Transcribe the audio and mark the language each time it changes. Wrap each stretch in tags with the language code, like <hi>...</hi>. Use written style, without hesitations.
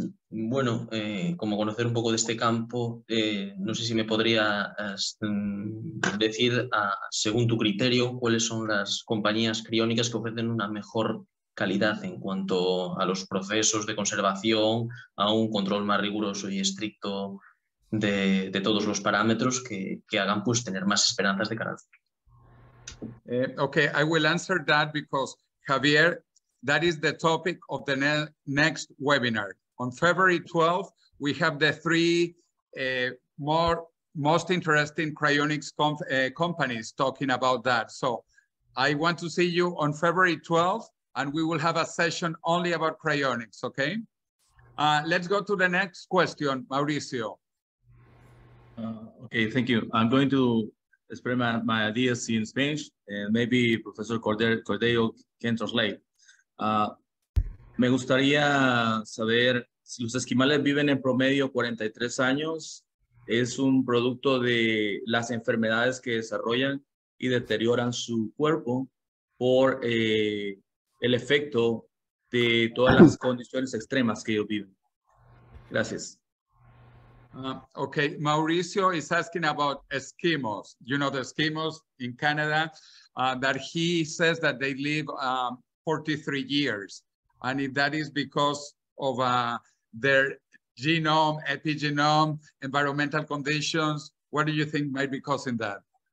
<es>Bueno, como conocer un poco de este campo, no sé si me podrías decir, según tu criterio, cuáles son las compañías criónicas que ofrecen una mejor calidad en cuanto a los procesos de conservación, a un control más riguroso y estricto de todos los parámetros que hagan pues tener más esperanzas de cara al futuro.</es> <en>Okay, I will answer that because, Javier, that is the topic of the next webinar. On February 12th, we have the three most interesting cryonics companies talking about that. So I want to see you on February 12th, and we will have a session only about cryonics, okay? Let's go to the next question, Mauricio. Okay, thank you. I'm going to experiment my ideas in Spanish, and maybe Professor Cordeiro can translate.</en> <es>Me gustaría saber si los esquimales viven en promedio 43 años, es un producto de las enfermedades que desarrollan y deterioran su cuerpo por el efecto de todas las condiciones extremas que ellos viven. Gracias.</es> <en>Okay, Mauricio is asking about Eskimos, you know, the Eskimos in Canada, that he says that they live 43 years. And if that is because of their genome, epigenome, environmental conditions, what do you think might be causing that?</en>